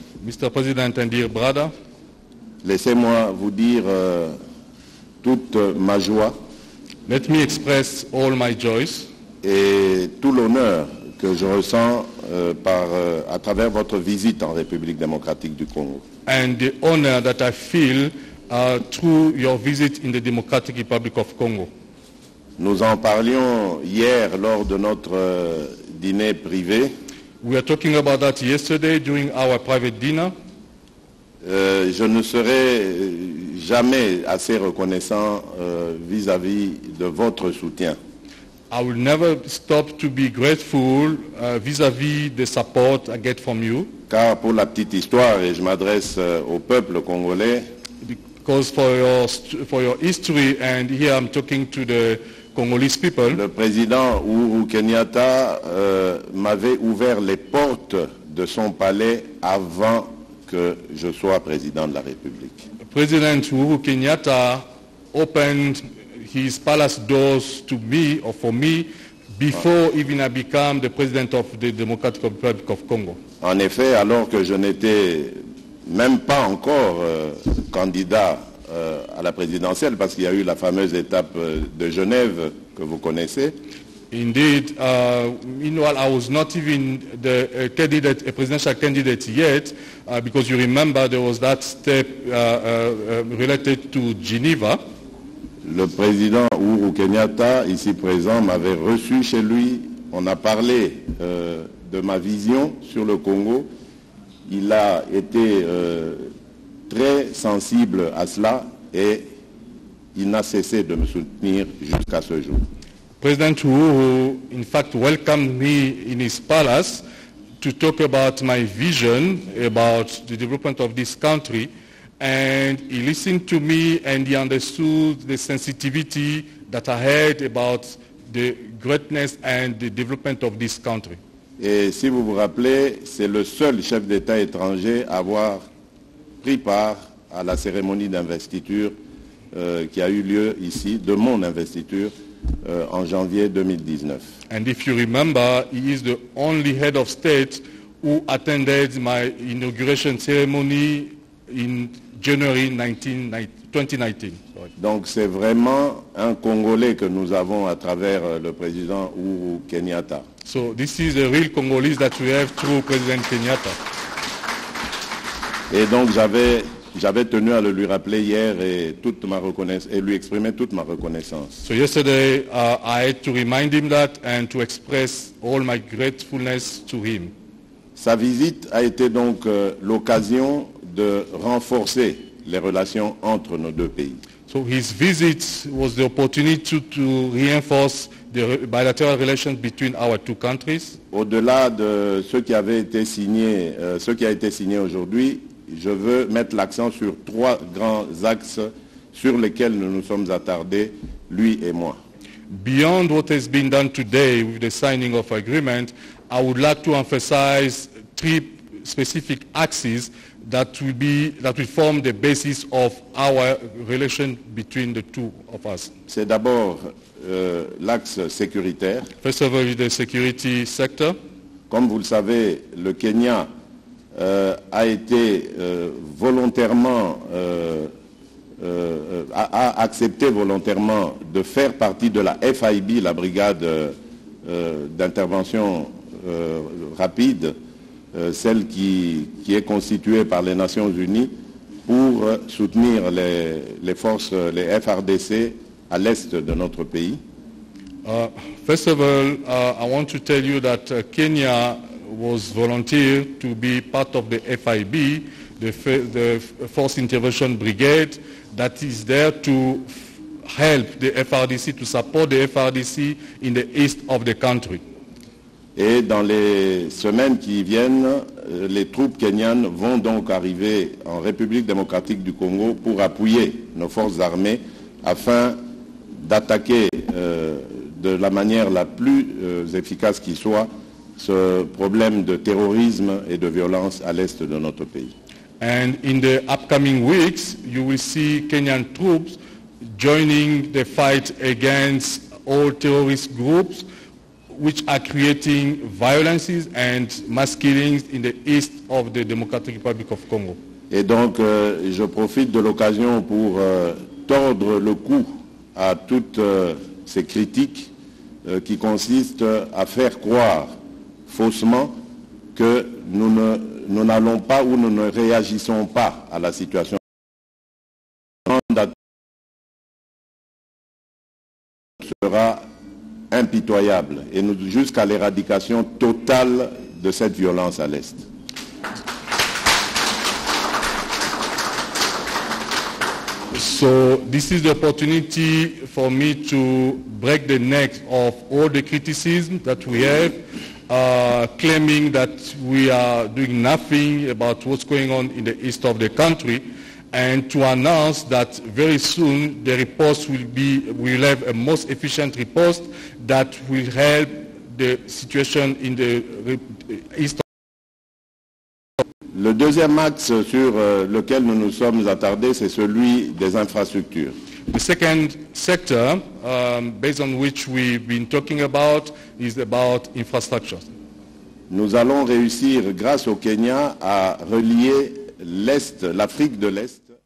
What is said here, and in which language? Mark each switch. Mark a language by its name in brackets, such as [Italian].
[English] Mr. President and dear brother, [French] laissez-moi vous dire toute ma joie. [English] Let me express all my joys. [French] Et tout l'honneur que je ressens à travers votre visite en République démocratique du Congo. [English] And the honor that I feel through your visit in the Democratic Republic of Congo. [French] Nous en parlions hier lors de notre dîner privé. [English] We are talking about that yesterday during our private dinner. [French] Je ne serai jamais assez reconnaissant vis-à-vis de votre soutien. [English] I will never stop to be grateful vis-à-vis the support I get from you. [French] Car pour la petite histoire, et je m'adresse au peuple congolais. [English] Because for your history, and here I'm talking to the Congolese people. [French] Le président Uhuru Kenyatta m'avait ouvert les portes de son palais avant que je sois président de la République. [English] President Uhuru Kenyatta opened his palace doors to me or for me before even I became the president of the Democratic Republic of Congo. [French] En effet, alors que je n'étais même pas encore candidat à la présidentielle, parce qu'il y a eu la fameuse étape de Genève que vous connaissez. [English] Indeed, meanwhile, I was not even the candidate, a presidential candidate yet, because you remember there was that step related to Geneva. [French] Le président Uhuru Kenyatta, ici présent, m'avait reçu chez lui. On a parlé de ma vision sur le Congo. Il a été très sensible à cela et il n'a cessé de me soutenir jusqu'à ce jour. [English] President Uhuru, in fact, welcomed me in his palace to talk about my vision about the development of this country, and he listened to me and he understood the sensitivity that I had about the greatness and the development of this country. [French] Et si vous vous rappelez, c'est le seul chef d'État étranger à avoir pris part à la cérémonie d'investiture qui a eu lieu ici, de mon investiture, en janvier 2019. [English] And if you remember, he is the only head of state who attended my inauguration ceremony in January 2019. [French] Donc c'est vraiment un Congolais que nous avons à travers le président Uhuru Kenyatta. [English] So this is a real Congolese that we have through President Kenyatta. [French] Et donc j'avais tenu à le lui rappeler hier et toute ma reconnaissance et lui exprimer toute ma reconnaissance. [English] So yesterday I had to remind him that and to express all my gratefulness to him. [French] Sa visite a été donc l'occasion de renforcer les relations entre nos deux pays. [English] So his visit was the opportunity to reinforce the bilateral relations between our two countries. [French] Au-delà de ce qui avait été signé, ce qui a été signé aujourd'hui, je veux mettre l'accent sur trois grands axes sur lesquels nous nous sommes attardés, lui et moi. [English] Beyond what has been done today with the signing of agreement, I would like to emphasize three specific axes that will form the basis of our relation between the two of us. [French] C'est d'abord l'axe sécuritaire. [English] First of all, the security sector. [French] Comme vous le savez, le Kenya a été volontairement a accepté volontairement de faire partie de la FIB, la brigade d'intervention rapide, celle qui est constituée par les Nations Unies pour soutenir les forces, les FRDC, à l'est de notre pays. [English] First of all, I want to tell you that Kenya was volunteer to be part of the FIB, the Force Intervention Brigade, that is there to help the FRDC, to support the FRDC in the east of the country. [French] Et dans les semaines qui viennent, les troupes kenyanes vont donc arriver en République démocratique du Congo pour appuyer nos forces armées afin d'attaquer de la manière la plus efficace qui soit ce problème de terrorisme et de violence à l'est de notre pays. [English] And in the upcoming weeks, you will see Kenyan troops joining the fight against all terrorist groups which are creating violences and mass killings in the east of the Democratic Republic of Congo. [French] Et donc, je profite de l'occasion pour tordre le cou à toutes ces critiques qui consistent à faire croire faussement que nous n'allons pas ou nous ne réagissons pas à la situation. Sera impitoyable et nous jusqu'à l'éradication totale de cette violence à l'est. [English] So this is the opportunity for me to break the neck of all the criticism that we have, claiming that we are doing nothing about what's going on in the east of the country, and to announce that very soon the riposte will have a most efficient riposte that will help the situation in the east. [French] Le deuxième axe sur lequel nous nous sommes attardés, c'est celui des infrastructures. [English] The second sector, based on which we've been talking about, is about infrastructures. [French] Nous allons réussir, grâce au Kenya, à relier l'Est, l'Afrique de l'Est.